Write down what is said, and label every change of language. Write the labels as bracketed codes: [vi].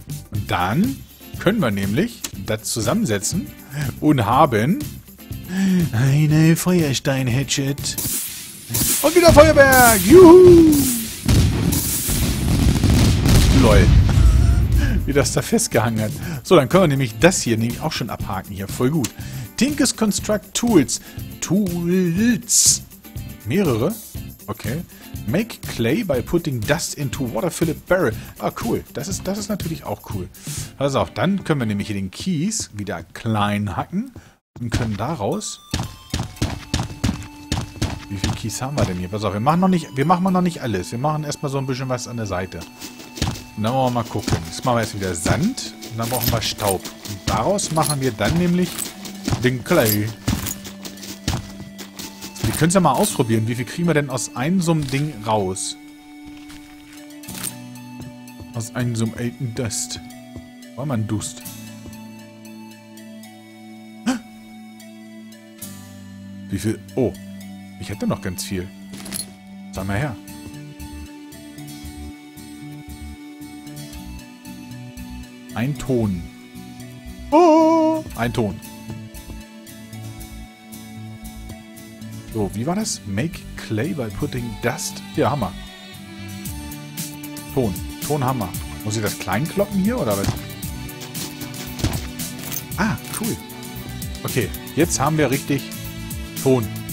[de] Und dann können wir nämlich das zusammensetzen und haben eine Feuerstein-Hatchet. Und wieder Feuerberg! Juhu! Lol. Wie das da festgehangen hat. So, dann können wir nämlich das hier nämlich auch schon abhaken hier. Voll gut. Tinkers Construct Tools. Tools. Mehrere? Okay. [en] Make clay by putting dust into water filled barrel. [de] Ah, cool. Das ist natürlich auch cool. Also auch dann können wir nämlich hier den Kies wieder klein hacken und können daraus. Wie viel Kies haben wir denn hier? Pass auf, wir machen noch nicht alles. Wir machen erstmal so ein bisschen was an der Seite. Und dann wollen wir mal gucken. Jetzt machen wir jetzt wieder Sand und dann brauchen wir Staub. Und daraus machen wir dann nämlich den Clay. Wir können es ja mal ausprobieren. Wie viel kriegen wir denn aus einem so einem Ding raus? Aus einem so einem alten Dust. Wollen wir einen Dust? Wie viel? Oh. Ich hätte noch ganz viel. Sag mal her. Ein Ton. Oh, ein Ton. So, wie war das? [en] Make clay by putting dust. [de] Ja, Hammer. Ton. Tonhammer. Muss ich das klein kloppen hier oder was? Ah, cool. Okay, jetzt haben wir richtig Ton.